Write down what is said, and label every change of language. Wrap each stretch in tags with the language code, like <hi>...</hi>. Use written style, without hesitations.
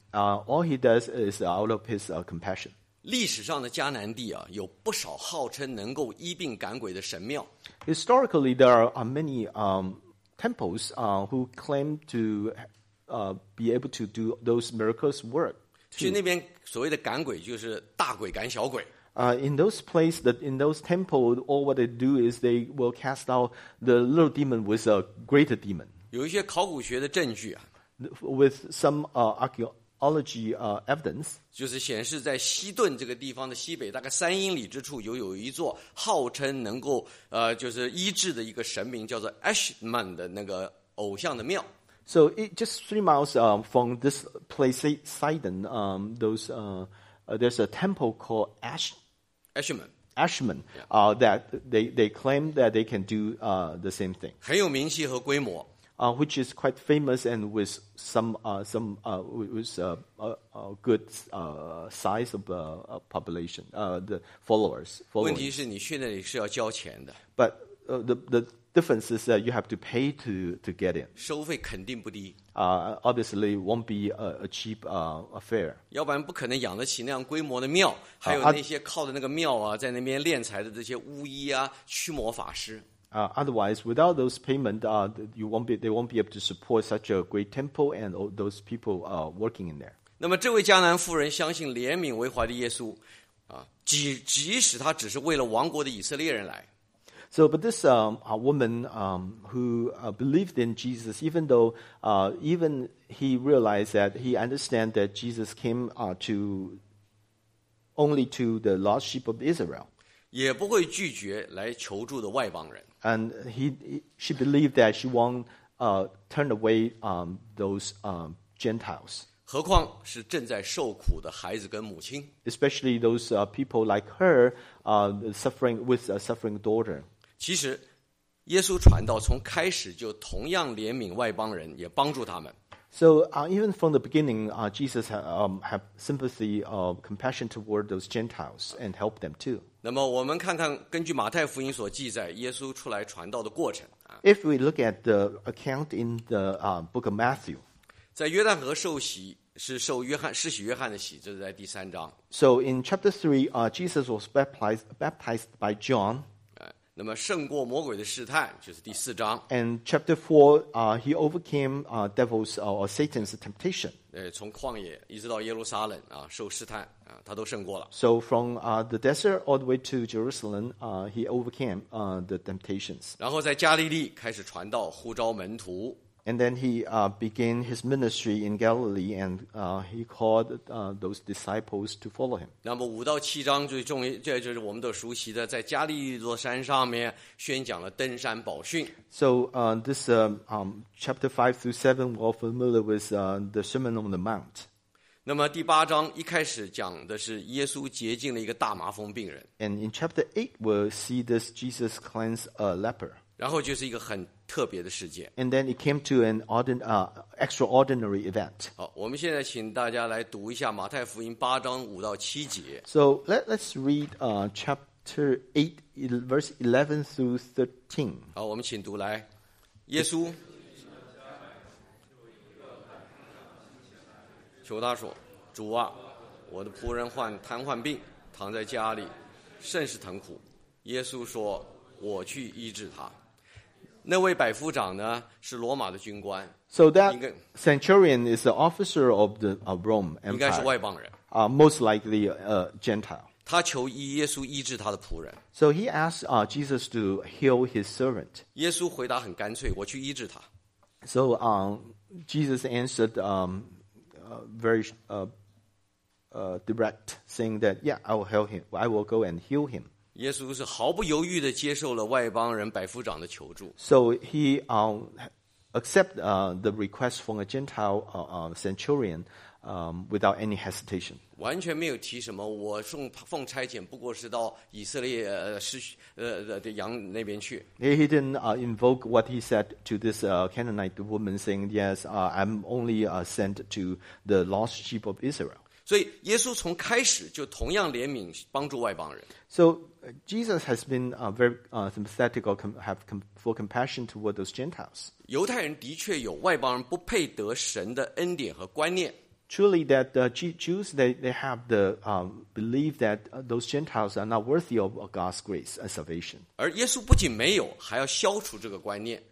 <en>All he does is out of his compassion.</en> <zh>历史上的迦南地啊，有不少号称能够医病赶鬼的神庙。</zh> <en>Historically, there are many temples who claim to be able to do those miracles work.</en> <zh>去那边所谓的赶鬼就是大鬼赶小鬼。</zh> <en>In those places, in those temples, all what they do is they will cast out the little demon with a greater demon.</en> <zh>有一些考古学的证据啊</zh> <en>，with some archaeology evidence</en> <zh>就是显示在西顿这个地方的西北大概三英里之处有一座号称能够就是医治的一个神明叫做 Ashman 的那个偶像的庙。</zh> <en>So it just 3 miles from this place Sidon, there's a temple called Ashman, yeah. That they claim that they can do the same thing.</en> <zh>很有名气和规模。</zh> <en>Which is quite famous and with some good size of population, the followers.</en> <zh>问题是你去那里是要交钱的。</zh> <en>But the difference is that you have to pay to get in.</en> <zh>收费肯定不低。</zh> <en>Obviously won't be a cheap affair.</en> <zh>要不然不可能养得起那样规模的庙，还有那些靠的那个庙啊，在那边炼财的这些巫医啊、驱魔法师。</zh> <en>Otherwise, without those payments, they won't be able to support such a great temple and all those people working in there.</en> <zh>那么这位迦南妇人相信怜悯为怀的耶稣，即使他只是为了王国的以色列人来。</zh> <en>So, but this woman who believed in Jesus, even though even he realized that he understand that Jesus came to the lost sheep of Israel.</en> <zh>也不会拒绝来求助的外邦人。</zh> <en>And she believed that she won't turn away those Gentiles.</en> <zh>何况是正在受苦的孩子跟母亲。</zh> <en>Especially those people like her, suffering with a suffering daughter.</en> <zh>其实，耶稣传道从开始就同样怜悯外邦人，也帮助他们。</zh> <en>So even from the beginning, Jesus have sympathy or compassion toward those Gentiles and help them too.</en> <zh>那么我们看看根据马太福音所记载耶稣出来传道的过程。</zh> <en>If we look at the account in the book of Matthew,</en> <zh>在约旦河受洗是受约翰施洗约翰的洗，这是在第三章。</zh> <en>So in chapter 3, Jesus was baptized by John.</en> <zh>那么胜过魔鬼的试探就是第四章。</zh> <en>And chapter four, he overcame devil's or Satan's temptation.</en> <zh>从旷野一直到耶路撒冷啊，受试探啊，他都胜过了。</zh> <en>So from the desert all the way to Jerusalem, he overcame the temptations.</en> <zh>然后在加利利开始传道，呼召门徒。</zh> <en>And then he began his ministry in Galilee, and he called those disciples to follow him.</en> <zh>那么五到七章最重要，这就是我们都熟悉的，在加利利座山上面宣讲了登山宝训。</zh> <en>So this chapter 5-7 we're familiar with the Sermon on the Mount.</en> <zh>那么第八章一开始讲的是耶稣洁净了一个大麻风病人。</zh> <en>And in chapter 8 we'll see this Jesus cleanse a leper.</en> <zh>然后就是一个很特别的事件。</zh> <en>And then it came to an extraordinary event.</en> <zh>好，我们现在请大家来读一下马太福音八章五到七节。</zh> <en>So let's read chapter 8, verse 11 through 13.</en> <zh>好，我们请读来。耶稣，求他说：“主啊，我的仆人患瘫痪病，躺在家里，甚是疼苦。” 耶稣说：“我去医治他。” 那位百夫长呢，是罗马的军官。</zh> <en>So that centurion is an officer of the Rome Empire.</en> <zh>应该是外邦人。</zh> <en>Most likely a Gentile.</en> <zh>他求耶稣医治他的仆人。</zh> <en>So he asked Jesus to heal his servant.</en> <zh>耶稣回答很干脆，我去医治他。</zh> <en>So Jesus answered direct, saying that, yeah, I will heal him. I will go and heal him.</en> <zh>耶稣是毫不犹豫地接受了外邦人百夫长的求助。</zh> <en>So he accepted the request from a Gentile centurion without any hesitation.</en> <zh>完全没有提什么，我奉差遣不过是到以色列的羊那边去。</zh> <en>He didn't invoke what he said to this Canaanite woman, saying, "Yes, I'm only sent to the lost sheep of Israel."</en> <zh>所以耶稣从开始就同样怜悯帮助外邦人。</zh> <en>So,Jesus has been very sympathetic or for compassion toward those Gentiles.</en> <zh>犹太人的确有外邦人不配得神的恩典和观念。</zh> <en>Truly that the Jews, they have the belief that those Gentiles are not worthy of God's grace and salvation.</en> <zh>而耶稣不仅没有，还要消除这个观念。</zh>